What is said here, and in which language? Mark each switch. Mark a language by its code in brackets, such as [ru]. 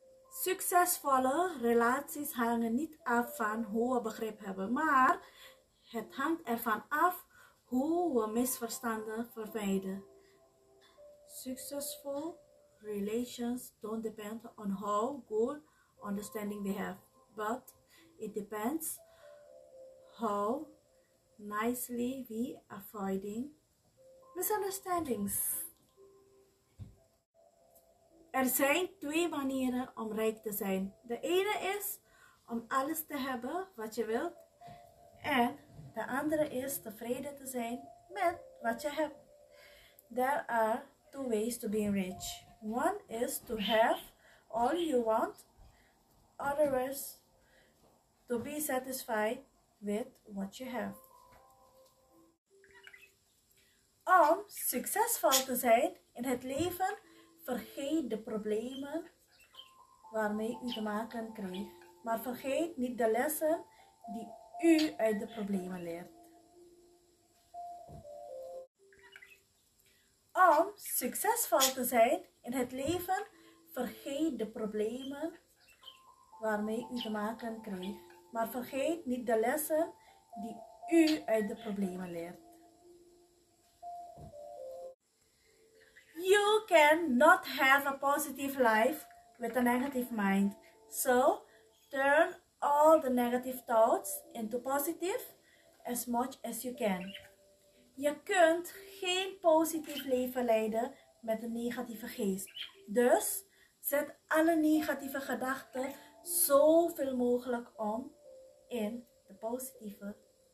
[nl] Succesvolle relaties hangen niet af van hoe we begrip hebben, maar het hangt ervan af hoe we misverstanden vermijden. [en] Successful relations don't depend on how good understanding we have, but it depends how nicely we avoiding misunderstandings. [nl] Er zijn twee manieren om rijk te zijn. De ene is om alles te hebben wat je wilt. En de andere is tevreden te zijn met wat je hebt. [en] There are two ways to be rich. One is to have all you want. Other is to be satisfied with what you have. [nl] Om succesvol te zijn in het leven, vergeet de problemen waarmee u te maken kreeg. Maar vergeet niet de lessen die u uit de problemen leert. Om succesvol te zijn in het leven, vergeet de problemen waarmee u te maken kreeg. Maar vergeet niet de lessen die u uit de problemen leert. [en] You cannot have a positive life with a negative mind. So, turn all the negative thoughts into positive as much as you can. [nl] Je kunt geen positief leven leiden met een negatieve geest. Dus, zet alle negatieve gedachten zoveel mogelijk om in de positieve